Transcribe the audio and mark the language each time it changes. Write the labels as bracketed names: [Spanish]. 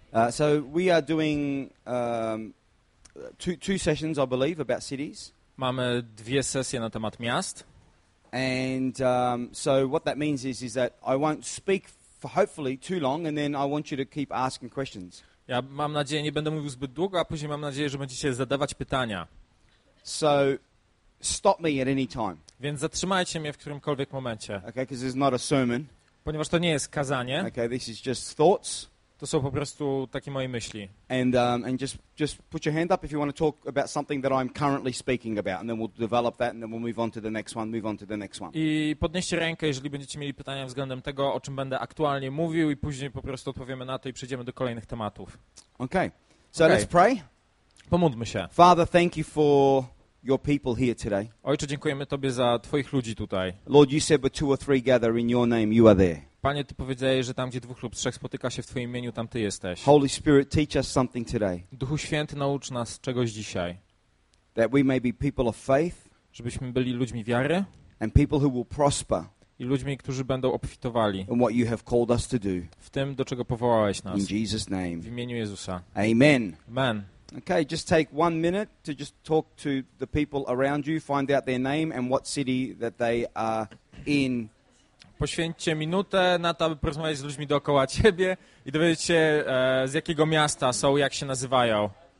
[English] So we are doing two sessions, I believe, about cities. [Polish] Mamy dwie sesje na temat miast. [English] And so what that means is that I won't speak for hopefully too long, and then I want you to keep asking questions. [Polish] Ja mam nadzieję, nie będę mówił zbyt długo, a później mam nadzieję, że będziecie zadawać pytania. [English] So stop me at any time. [Polish] Więc zatrzymajcie mnie w którymkolwiek momencie. [English] Okay, because it's not a sermon. [Polish] Ponieważ to nie jest kazanie. [English] Okay, this is just thoughts. [Polish] To są po prostu takie moje myśli. [English] And just put your hand up if you want to talk about something that I'm currently speaking about, and then we'll develop that, and then we'll move on to the next one. [Polish] I podnieście rękę, jeżeli będziecie mieli pytania względem tego, o czym będę aktualnie mówił, i później po prostu odpowiemy na to i przejdziemy do kolejnych tematów. [English] Okay. So okay. Let's pray. [Polish] Pomódlmy się. [English] Father, thank you for your people here today. [Polish] Ojcze, dziękujemy Tobie za Twoich ludzi tutaj. [English] Lord, you said, but two or three gather in your name, you are there. [Polish] Panie, Ty powiedziałeś, że tam, gdzie dwóch lub trzech spotyka się w Twoim imieniu, tam Ty jesteś. [English] Holy Spirit, teach us something today. [Polish] Duchu Święty, naucz nas czegoś dzisiaj. [English] That we may be people of faith. [Polish] Żebyśmy byli ludźmi wiary. [English] And people who will prosper. [Polish] I ludźmi, którzy będą obfitowali. [English] In what you have called us to do. [Polish] W tym, do czego powołałeś nas. [English] In Jesus' name. [Polish] W imieniu Jezusa. [English] Amen. [Polish] Amen. [English] Okay, just take 1 minute to just talk to the people around you, find out their name and what city that they are in. [Polish] Poświęćcie minutę na to, aby porozmawiać z ludźmi dookoła ciebie i dowiedzieć się, z jakiego miasta są, jak się nazywają.